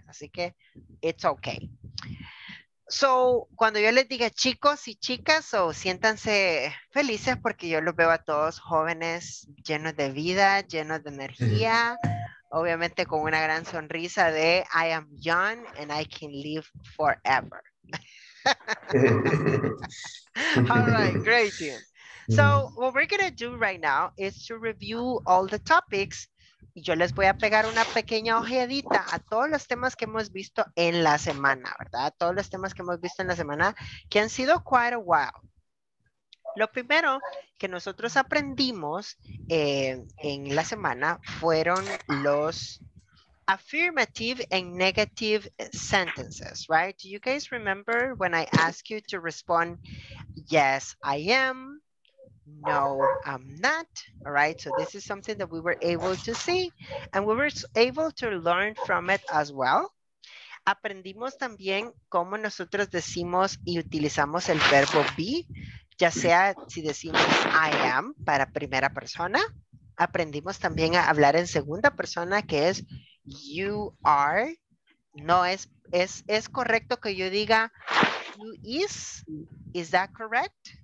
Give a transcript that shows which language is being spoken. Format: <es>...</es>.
<es>Así que</es> <en>it's okay.</en> <es>So, cuando yo les diga chicos y chicas, o siéntanse felices porque yo los veo a todos jóvenes, llenos de vida, llenos de energía, obviamente con una gran sonrisa de</es> <en>I am young and I can live forever. All right, great. So, what we're going to do right now is to review all the topics.</en> <es>Yo les voy a pegar una pequeña ojeadita a todos los temas que hemos visto en la semana, ¿verdad? Todos los temas que hemos visto en la semana, que han sido</es> <en>quite a while.</en> <es>Lo primero que nosotros aprendimos en la semana fueron los</es> <en>affirmative and negative sentences, right? Do you guys remember when I asked you to respond, yes, I am? No, I'm not. All right. So this is something that we were able to see and we were able to learn from it as well.</en> <es>Aprendimos también cómo nosotros decimos y utilizamos el verbo be, ya sea si decimos I am para primera persona. Aprendimos también a hablar en segunda persona, que es you are. No es, es correcto que yo diga you is.</es> <en>Is that correct?</en>